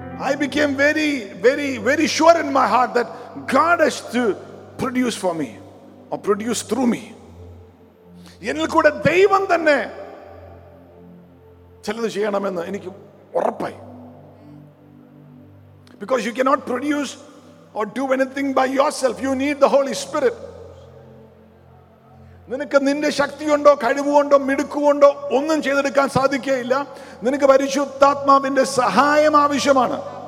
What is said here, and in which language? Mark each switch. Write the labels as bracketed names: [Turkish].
[English] I became very very very sure in my heart that god has to produce for me or produce through me. [Malayalam] എന്നിൽ കൂടെ ദൈവം തന്നെ ചിലത് ചെയ്യണമെന്ന് എനിക്ക് ഉറപ്പായി. [English] Because you cannot produce or do anything by yourself. You need the Holy Spirit. [Malayalam] നിനക്ക് നിന്റെ ശക്തിയുണ്ടോ കഴിവുകൊണ്ടോ മിടുക്കുകൊണ്ടോ ഒന്നും ചെയ്തെടുക്കാൻ സാധിക്കുകയില്ല. നിനക്ക് പരിശുദ്ധാത്മാവിന്റെ സഹായം ആവശ്യമാണ്.